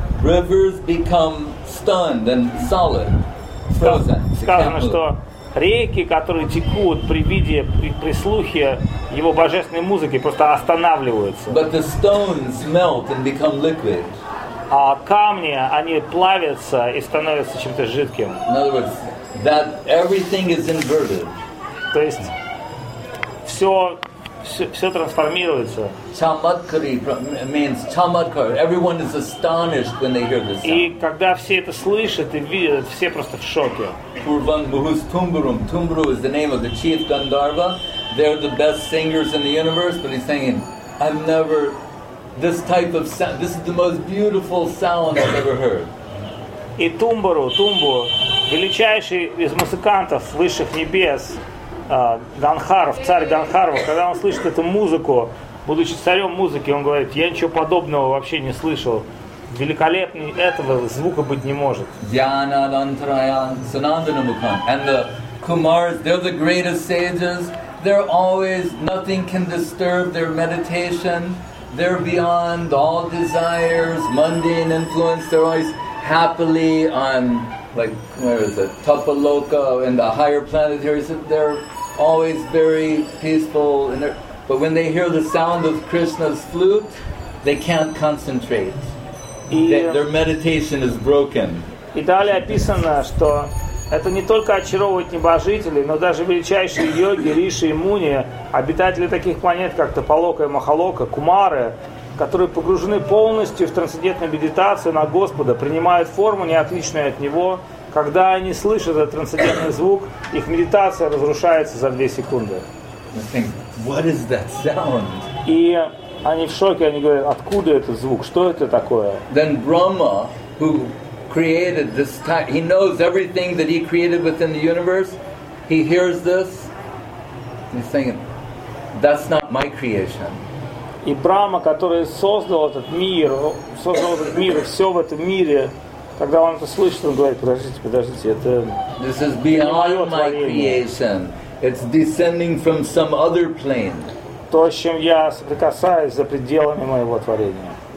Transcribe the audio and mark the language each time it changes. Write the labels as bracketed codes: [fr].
[en] Rivers become stunned and solid, frozen. [ru] Сказано, что реки, которые текут при виде, при слухе его божественной музыки, просто останавливаются. [en] But the stones melt and become liquid. [ru] А камни, они плавятся и становятся чем-то жидким. [en] In other words, that everything is inverted. [ru] То есть все трансформируется. [en] Chamatkari means chamatkar. Everyone is astonished when they hear this sound. [ru] И когда все это слышат и видят, все просто в шоке. [sa] Kurvan Muhus Tumburum. [en] Tumburu is the name of the chief Gandharva. They're the best singers in the universe, but he's saying, I've never this type of sound, this is the most beautiful sound I've ever heard. [ru] И Тумбу, величайший из музыкантов высших небес. Ганхаров, царь Ганхаров, когда он слышит эту музыку, будучи царем музыки, он говорит, я ничего подобного вообще не слышал. Великолепнее этого звука быть не может. [sa] Dhyana Dantrayan Sanandanamukam. [en] And the Kumars, they're the greatest sages. They're always, nothing can disturb their meditation. They're beyond all desires, mundane influence. They're always happily on, like, where is it? Tapaloka and the higher planetary. They're always very peaceful, and but when they hear the sound of Krishna's flute, they can't concentrate. Their meditation is broken. [ru] И далее описано, что это не только очаровывает небожителей, но даже величайшие йоги, риши и муни, обитатели таких планет, как Тапалока и Махалока, кумары, которые погружены полностью в трансцендентную медитацию на Господа, принимают форму, не отличную от Него. Когда они слышат этот трансцендентный звук, их медитация разрушается за 2 секунды. [en] What is that sound? [ru] И они в шоке, они говорят, откуда этот звук? Что это такое? [en] Then Brahma, who created this type, he knows everything that he created within the universe, he hears this, and he's saying, that's not my creation. [ru] И Брама, который создал этот мир и все в этом мире, когда он это слышит, он говорит, подождите, это [en] This is beyond my creation. It's descending from some other plane. [ru] То, с чем я соприкасаюсь за пределами моего творения.